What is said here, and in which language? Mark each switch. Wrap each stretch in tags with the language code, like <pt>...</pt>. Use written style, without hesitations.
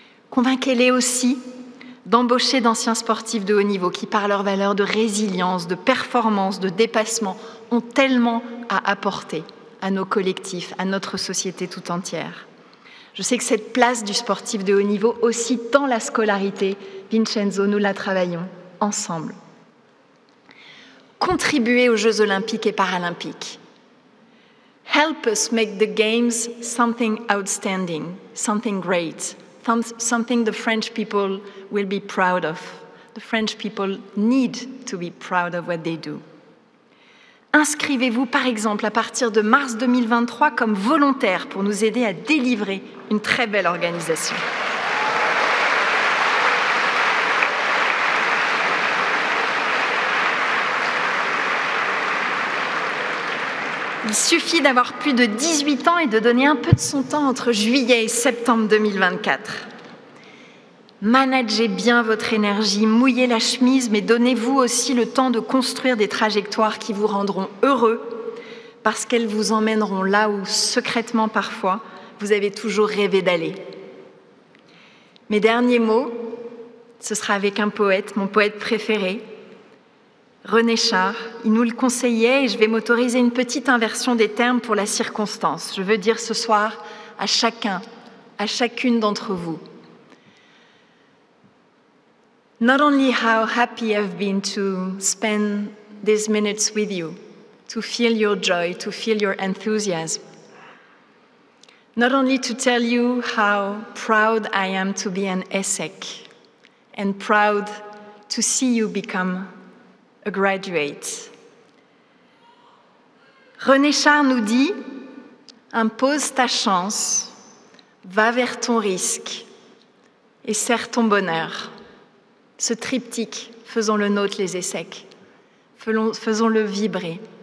<fr>Convainquez-les aussi d'embaucher d'anciens sportifs de haut niveau qui, par leurs valeurs de résilience, de performance, de dépassement, ont tellement à apporter à nos collectifs, à notre société tout entière. Je sais que cette place du sportif de haut niveau, aussi dans la scolarité, Vincenzo, nous la travaillons ensemble. Contribuez aux Jeux Olympiques et Paralympiques.</fr> <en>Help us make the games something outstanding, something great, something the French people will be proud of. The French people need to be proud of what they do.</en> <fr>Inscrivez-vous, par exemple, à partir de mars 2023 comme volontaire pour nous aider à délivrer une très belle organisation. Il suffit d'avoir plus de 18 ans et de donner un peu de son temps entre juillet et septembre 2024. Managez bien votre énergie, mouillez la chemise, mais donnez-vous aussi le temps de construire des trajectoires qui vous rendront heureux, parce qu'elles vous emmèneront là où, secrètement parfois, vous avez toujours rêvé d'aller. Mes derniers mots, ce sera avec un poète, mon poète préféré, René Char, il nous le conseillait et je vais m'autoriser une petite inversion des termes pour la circonstance. Je veux dire ce soir à chacun, à chacune d'entre vous.</fr> <en>Not only how happy I've been to spend these minutes with you, to feel your joy, to feel your enthusiasm. Not only to tell you how proud I am to be an ESSEC and proud to see you become a graduate.</en> <fr>René Char nous dit, impose ta chance, va vers ton risque et sers ton bonheur. Ce triptyque, faisons le nôtre les ESSEC, faisons-le vibrer.</fr>